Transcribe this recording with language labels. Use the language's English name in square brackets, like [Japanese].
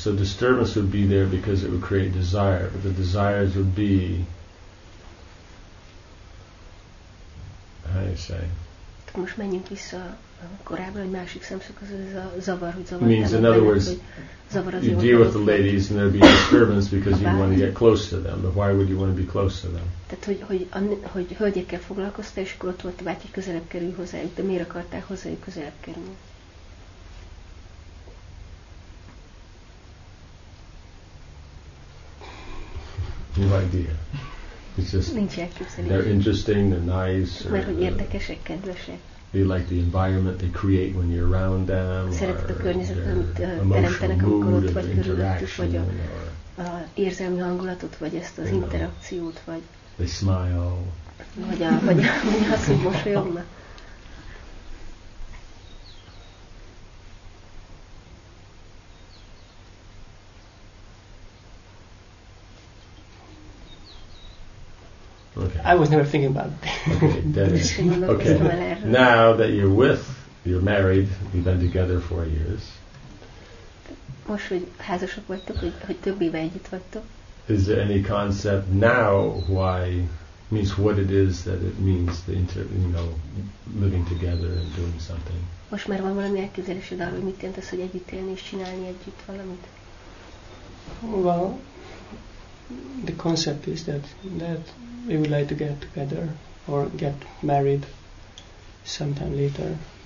[English] So disturbance would be there because it would create desire. But the desires would be, how do you say? Means in other words, you deal with the ladies and there'd be disturbance because you want to get close to them. But why would you want to be close to them? [Hungarian] Tehát, hogy hölgyekkel foglalkoztál, és akkor ott volt a bátyja, közelebb kerül hozzájuk, de miért akartál hozzájuk közelebb kerülni? [English] no idea. It's just they're interesting, they're nice. [Hungarian] Érdekesek, kedvesek. [English] They like the environment they create when you're around them. [Hungarian] Szeretik a környezetet, teremtenek, amikor ott vagy, körülöttük vagy, az érzelmi hangulatot vagy ezt az interakciót vagy. [English] They smile. [Hungarian] Vagy azt, hogy mosolyognak. [English] I was never thinking about that. Okay. Now that you're with, you're married, we've been together 4 years. [Hungarian] Most, hogy házasok vagytok, hogy több éve együtt vagytok. [English] Is there any concept now why means what it is that it means the living together and doing something? [Hungarian] Most már van valami elképzelésed arról, hogy mit jelent az, hogy együtt élni és csinálni együtt valamit? [English] Well, the concept is that we would like to get together or get married sometime later.